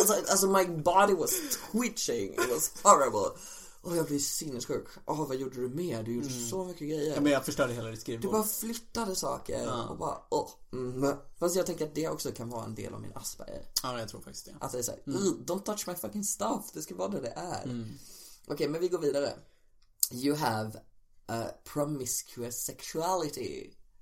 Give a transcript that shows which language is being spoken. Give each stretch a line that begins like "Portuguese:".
English: Alltså my body was twitching. It was horrible.
Swedish: Och jag blev sinnessjuk. Åh, vad gjorde du med? Du gjorde så mycket grejer. Ja, men jag förstörde hela ditt skrivbord. Du bara flyttade saker och bara Fast jag tänker att det också kan vara en del av min Asperger. Ja, jag tror faktiskt det. Att det är såhär,
English: don't touch my fucking stuff.
Swedish: Det ska vara det är. Okej, men vi går vidare.
English: You have a promiscuous sexuality.